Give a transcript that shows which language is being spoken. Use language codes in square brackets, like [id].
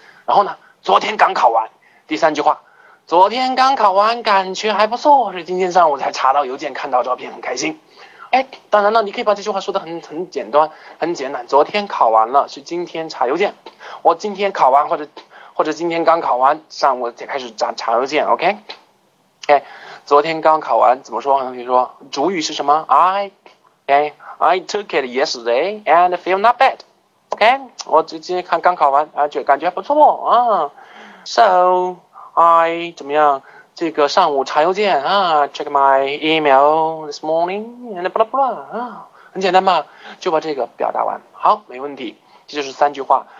[zh] 然后呢，昨天刚考完，第三句话，昨天刚考完，感觉还不错，是今天上午才查到邮件，看到照片，很开心。哎，当然了，你可以把这句话说得很简单，很简单。昨天考完了，是今天查邮件，我今天考完或者今天刚考完，上午才开始查邮件 ，OK？ 哎、okay, ，昨天刚考完，怎么说？你说主语是什么 [en] ？I， OK， I took it yesterday and feel not bad， OK？ [zh] 我今天看刚考完，感觉还不错啊。 [en] So I 怎么样？ [zh] 这个上午查邮件啊 [en] ，check my email this morning and blah blah 啊，很简单吧？ [zh] 就把这个表达完，好，没问题。这就是三句话。